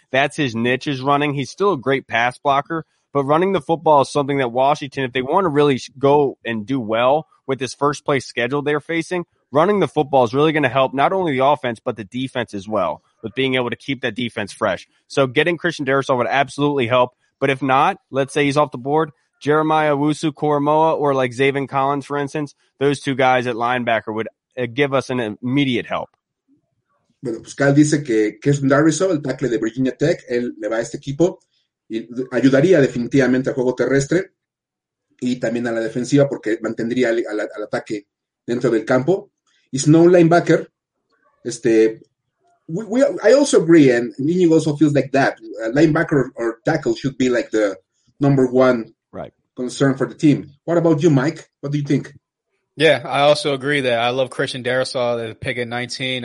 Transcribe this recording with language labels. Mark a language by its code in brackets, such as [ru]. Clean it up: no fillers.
[en] That's his niche is running. He's still a great pass blocker. But running the football is something that Washington, if they want to really go and do well with this first place schedule they're facing, running the football is really going to help not only the offense, but the defense as well with being able to keep that defense fresh. So getting Christian Darrisaw would absolutely help. But if not, let's say he's off the board, Jeremiah Owusu-Koramoah or like Zaven Collins, for instance, those two guys at linebacker would give us an immediate help. [es] Bueno, pues Kyle dice que Christian Darrisaw, el tackle de Virginia Tech, él le va a este equipo. Y ayudaría definitivamente al juego terrestre. y también a la defensiva, porque mantendría al ataque dentro del campo. [en] He's no linebacker. I also agree, and Iñigo also feels like that. A linebacker or tackle should be like the number one concern for the team. What about you, Mike? What do you think? Yeah, I also agree that I love Christian Darrisaw, the pick at 19.